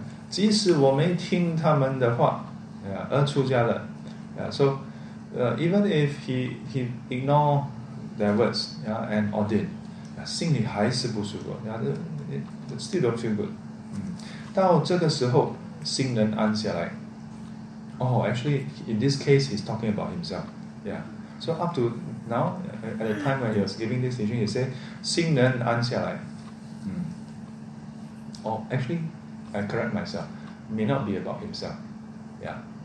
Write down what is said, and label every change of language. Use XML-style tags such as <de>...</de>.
<zh>即使我没听他们的话, 而出家了.</zh> <en>So even if he ignore their words, and ordain,</en> <zh>心里还是不舒服.</zh> <en>It still don't feel good.</en> <zh>到这个时候, 心能安下来.</zh> <en>Oh, actually, in this case, he's talking about himself. Yeah. So up to now, at the time when he was giving this teaching, he said,</en> <zh>心能安下来.</zh> <en>Oh, actually, I correct myself. May not be about himself. Yeah.</en>